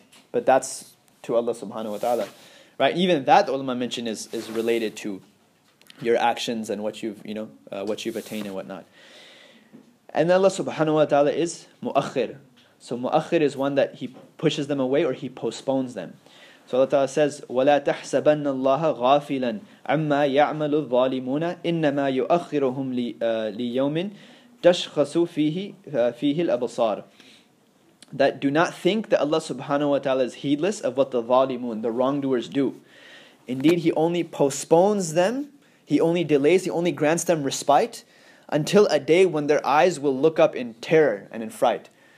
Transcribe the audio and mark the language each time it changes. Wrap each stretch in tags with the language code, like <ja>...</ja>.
<en>But that's to Allah subhanahu wa ta'ala, right? Even that ulama mentioned is related to your actions and what you've, you know, what you've attained and whatnot. And Allah subhanahu wa ta'ala is mu'akhir. So mu'akhir is one that He pushes them away or He postpones them. So Allah ta'ala says,</en> <ar>وَلَا تَحْسَبَنَّ اللَّهَ غَافِلًا عَمَّا يَعْمَلُ الظَّالِمُونَ إِنَّمَا يُؤَخِّرُهُمْ لِيَوْمٍ تَشْخَصُ فِيهِ الْأَبْصَارِ.</ar> <en>That do not think that Allah subhanahu wa ta'ala is heedless of what the zalimun, the wrongdoers, do. Indeed, He only postpones them, He only delays, He only grants them respite until a day when their eyes will look up in terror and in fright.</en>